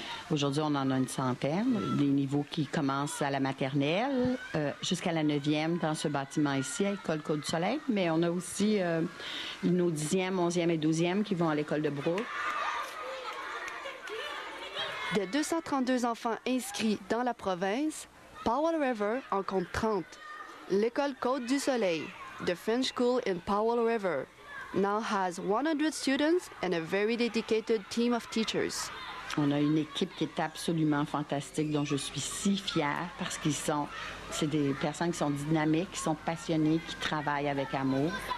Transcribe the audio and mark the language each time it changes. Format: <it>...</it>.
<fr>Aujourd'hui, on en a une centaine, des niveaux qui commencent à la maternelle jusqu'à la 9e dans ce bâtiment ici, à l'école Côte-du-Soleil. Mais on a aussi nos 10e, 11e et 12e qui vont à l'école de Brooke. Des 232 enfants inscrits dans la province, Powell River en compte 30.</fr> <en>L'école Côte du Soleil, the French school in Powell River, now has 100 students and a very dedicated team of teachers.</en> <fr>On a une équipe qui est absolument fantastique, dont je suis si fière, parce qu'ils sont, c'est des personnes qui sont dynamiques, qui sont passionnées, qui travaillent avec amour.</fr>